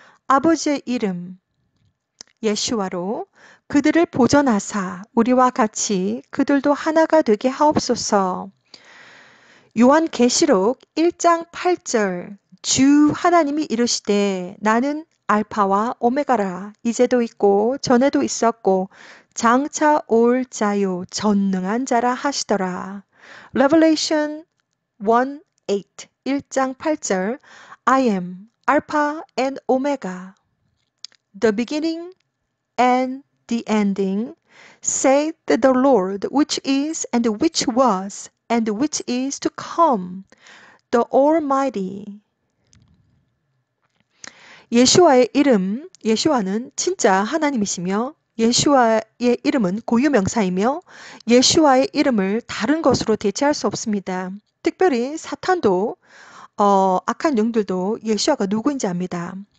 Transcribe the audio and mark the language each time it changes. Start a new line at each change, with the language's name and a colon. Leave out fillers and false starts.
Korean: 아버지의 이름, 예슈아로 그들을 보존하사, 우리와 같이 그들도 하나가 되게 하옵소서. 요한계시록 1장 8절, 주 하나님이 이르시되 나는 알파와 오메가라 이제도 있고 전에도 있었고 장차 올 자요 전능한 자라 하시더라.
English: Revelation
Korean: 1장 8절
English: I am Alpha and Omega, the beginning and the ending, saith the Lord, which is and which was and which is to come, the Almighty.
Korean: 예수와의 이름, 예수와는 진짜 하나님이시며, 예수와의 이름은 고유 명사이며, 예수와의 이름을 다른 것으로 대체할 수 없습니다. 특별히 사탄도, 악한 영들도 예수와가 누구인지 압니다.